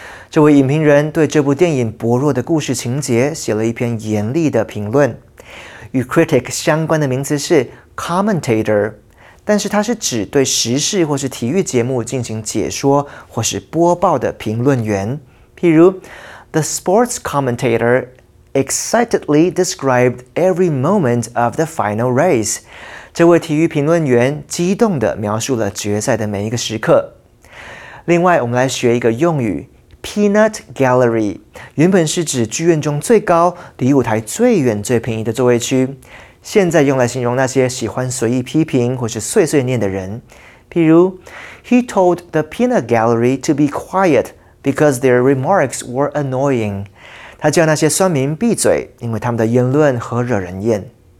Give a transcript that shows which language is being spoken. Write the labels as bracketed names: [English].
[Chinese] 这位影评人对这部电影薄弱的故事情节写了一篇严厉的评论。与 critic相关的名词是 commentator， 但是它是指对时事或是体育节目进行解说或是播报的评论员。譬如 [English] The sports commentator excitedly described every moment of the final race. [Chinese] 这位体育评论员激动地描述了决赛的每一个时刻。另外，我们来学一个用语 ,Peanut Gallery, 原本是指剧院中最高、离舞台最远、最便宜的座位区，现在用来形容那些喜欢随意批评或是碎碎念的人。比如 [English] ,He told the Peanut Gallery to be quiet because their remarks were annoying. [Chinese] 他叫那些酸民闭嘴，因为他们的言论很惹人厌。